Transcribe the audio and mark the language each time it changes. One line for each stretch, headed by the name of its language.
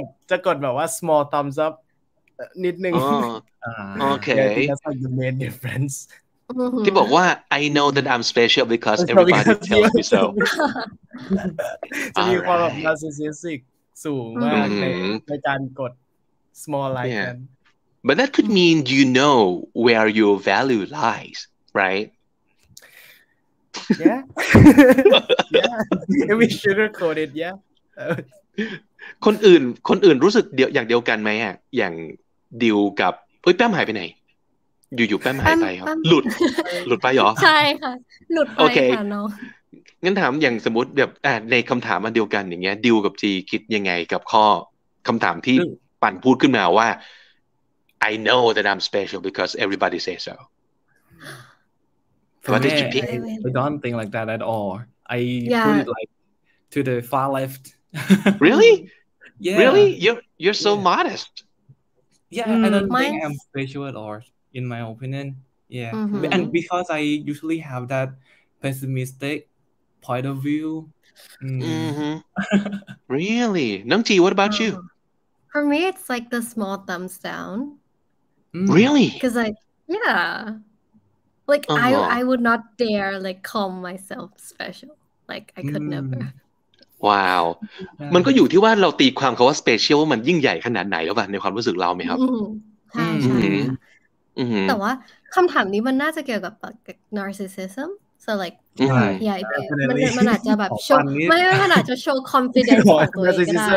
Thai: จะกดแบบว่า small thumbs up นิดนึง โอเค
English: that's like the main difference
Thai: ที่บอกว่า
English: I know that I'm special because everybody tells me so
Thai: จะมีความแบบ narcissistic สูงมากในการกด small like นั้น
English: but that could mean you know where your value lies right yeah yeah we sugarcoat it yeah
Thai: คนอื่นรู้สึกเดียวอย่างเดียวกันไหมอ่ะอย่างดิวกับเอ้ยแป้มหายไปไหนอยู่ๆแป้มหายไปครับหลุดไปเหรอ ใช่ค่ะหลุดไปค่ะเนาะ งั้นถามอย่างสมมติแบบในคำถามอันเดียวกันอย่างเงี้ยดิวกับจีคิดยังไงกับข้อคำถามที่ปั่นพูดขึ้นมาว่า
English: I know that I'm special because everybody says so For me, I don't think like that at all. I put it like to the far left. Really? Yeah. Really? You're so modest. Yeah, I don't think I'm special at all, in my opinion. Yeah. Mm-hmm. And because I usually have that pessimistic point of view. Really? Nungji, what about you? For me, it's like the small thumbs down. Really? Because Like, uh-huh. I would not dare, like, call myself special. Like, I could never. Wow.
Thai: มันก็อยู่ที่ว่าเราตีความคำว่า special ว่ามันยิ่งใหญ่ขนาดไหนแล้วป่ะในความรู้สึกเราไหมครับ ใช่แต่ว่าคำถามนี้มันน่าจะเกี่ยวกับ narcissism. So, like, yeah, มันอาจจะแบบ show... ไม่ขนาดจะ show confidence ของตัวเองก็ได